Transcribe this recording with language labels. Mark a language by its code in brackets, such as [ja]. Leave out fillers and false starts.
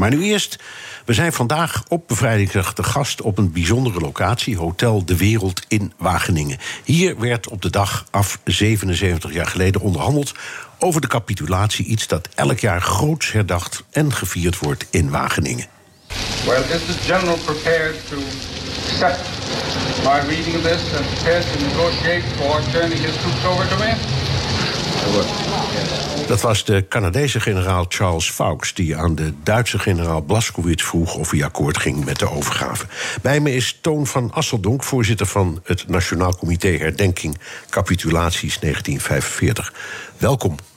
[nl] Maar nu eerst, we zijn vandaag op Bevrijdingsdag te gast op een bijzondere locatie, Hotel De Wereld in Wageningen. Hier werd op de dag af 77 jaar geleden onderhandeld over de capitulatie, iets dat elk jaar groots herdacht en gevierd wordt in Wageningen. [en] Well, is the general prepared to accept my reading of this and prepared to negotiate for turning his troops over to me? [nl] Dat was de Canadese generaal Charles Foulkes die aan de Duitse generaal Blaskowitz vroeg of hij akkoord ging met de overgave. Bij me is Toon van Asseldonk, voorzitter van het Nationaal Comité Herdenking Capitulaties 1945. Welkom.